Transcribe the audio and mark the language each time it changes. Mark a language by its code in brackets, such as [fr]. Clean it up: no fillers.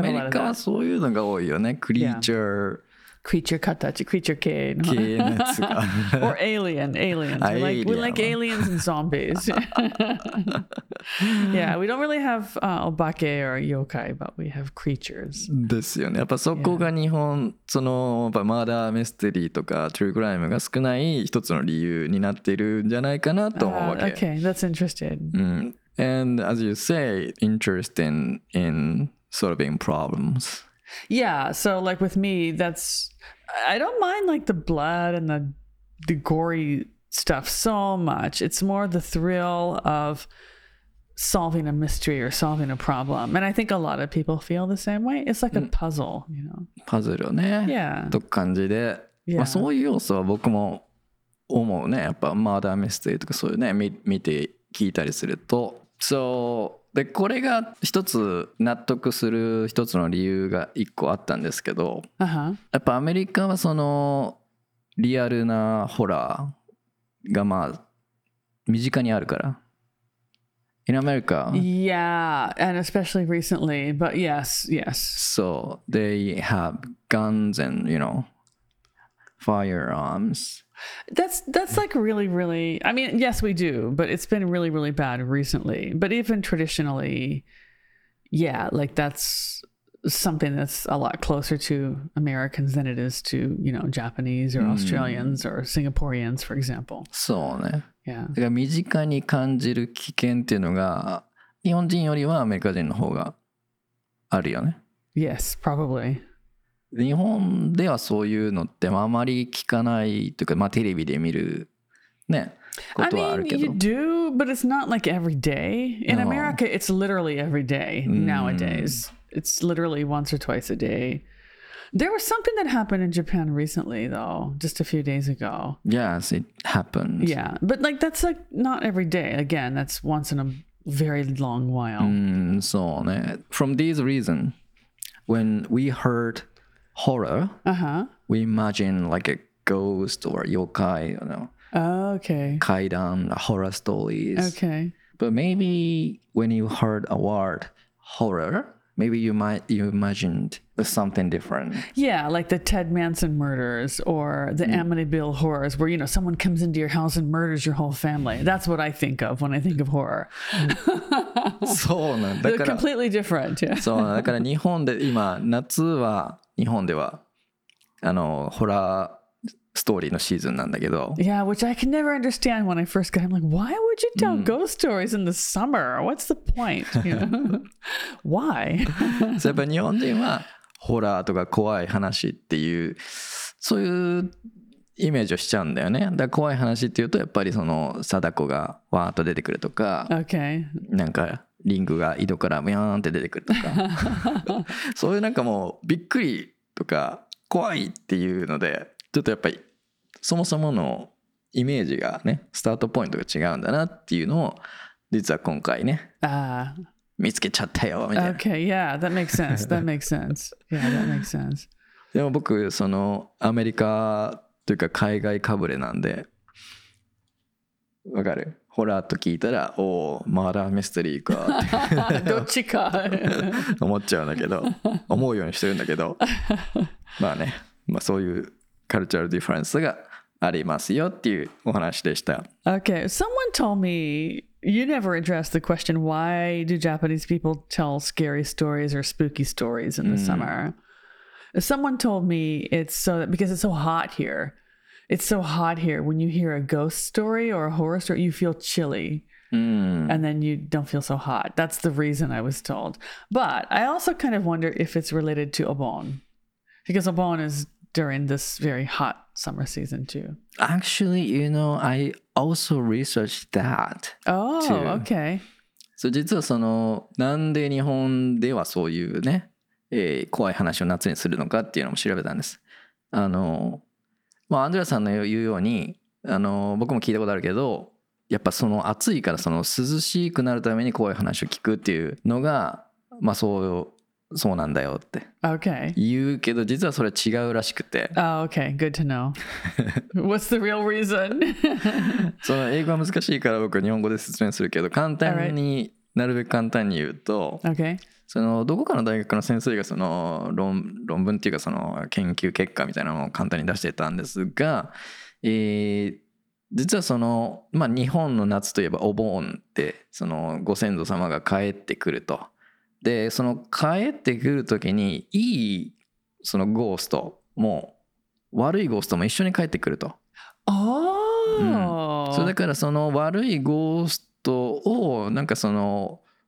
[ja] America, そういうのが多いよね。Creature. [en] Yeah. Creature katachi, creature ke. Or alien, aliens. We like aliens and zombies. Yeah, we don't really have obake or yokai, but we have creatures. [ja] ですよね。やっぱそこが日本、そのやっぱマーダーミステリーとかトゥークライムが少ない一つの理由になっているんじゃないかなと思うわけ。 [en] Okay, that's interesting. And as you say, interesting in solving problems. Yeah, so like with me, that's... I don't mind like the blood and the gory stuff so much. It's more the thrill of solving a mystery or solving a problem. And I think a lot of people feel the same way. It's like a puzzle, you know. [ja] Puzzle, ね。 [en] Yeah. [ja] と感じで。まあそういう要素は僕も思うね。やっぱマーダーミステリーとかそういうね、見て聞いたりすると。 So, で、これが一つ納得する一つの理由が一個あったんですけど、やっぱアメリカはそのリアルなホラーがまあ身近にあるから。 [en] In America. Yeah, and especially recently, but yes, yes. So they have guns and, you know, firearms. That's like really, really, I mean, yes, we do, but it's been really, really bad recently. But even traditionally, yeah, like that's something that's a lot closer to Americans than it is to, you know, Japanese or Australians or Singaporeans, for example. [ja] そうね。 [en] Yeah. [ja] だから身近に感じる危険っていうのが日本人よりはアメリカ人の方があるよね。 [en] Yes, probably. [ja] 日本ではそういうのってあまり聞かないというか、まあ、テレビで見る、ね、ことはあるけど [en] I mean, you do, but it's not like every day. In America, it's literally every day nowadays. It's literally once or twice a day. There was something that happened in Japan recently, though, just a few days ago. Yes, it happened. Yeah, but like, that's like not every day. Again, that's once in a very long while. [ja] そうね。 [en] From these reasons, when we heardhorror, we imagine like a ghost or yokai, you know. Oh, okay. Kaidan, horror stories. Okay. But maybe when you heard a word horror, maybe you imagined something different. Yeah, like the Ted Manson murders or the Amityville horrors where, you know, someone comes into your house and murders your whole family. That's what I think of when I think of horror. [ja] そうなんだ。 [en] They're completely different. Yeah. [ja] そうなんだ。だから日本で今夏は日本ではあのホラーストーリーのシーズンなんだけど [en] Yeah, which I can never understand when I first got I'm like, why would you tell ghost stories in the summer? What's the point? You know? Why? [ja] そうやっぱ日本人はホラーとか怖い話っていうそういうイメージをしちゃうんだよねだから怖い話っていうとやっぱりその貞子がわーっと出てくるとか [en] Okay. [ja] なんかリングが井戸からミャーンって出てくるとかそういうなんかもうびっくりとか怖いっていうのでちょっとやっぱりそもそものイメージがねスタートポイントが違うんだなっていうのを実は今回ね、見つけちゃったよみたいな [en] Okay, yeah, that makes sense. That makes sense. Yeah, that makes sense. [ja] でも僕そのアメリカというか海外かぶれなんでわかるホラーと聞いたらおおマーダーミステリーかってどっちか思っちゃうんだけど思うようにしてるんだけどまあね、まあ、そういうカルチャルディファレンスがありますよっていうお話でした [en] Okay, someone told me you never addressed the question why do Japanese people tell scary stories or spooky stories in the summer Someone told me it's so that, because it's so hot hereIt's so hot here. When you hear a ghost story or a horror story, you feel chilly. And then you don't feel so hot. That's the reason I was told. But I also kind of wonder if it's related to Obon. Because Obon is during this very hot summer season too. Actually, you know, I also researched that Oh, too. Okay. [ja] So, 実はその、なんで日本ではそういうね、怖い話を夏にするのかっていうのも調べたんです。あの、まあ、アンドレアさんの言うようにあの僕も聞いたことあるけどやっぱその暑いからその涼しくなるために怖い話を聞くっていうのが、まあ、そうなんだよって言うけど実はそれ違うらしくて [en] Oh, okay, good to know What's the real reason? [ja] その英語は難しいから僕日本語で説明するけど簡単に、right. なるべく簡単に言うと、 [en] okay. [ja] そのどこかの大学の先生がその論文っていうかその研究結果みたいなのを簡単に出してたんですが、実はその、まあ、日本の夏といえばお盆ってそのご先祖様が帰ってくるとでその帰ってくる時にいいそのゴーストも悪いゴーストも一緒に帰ってくるとそれだからその悪いゴーストをなんかその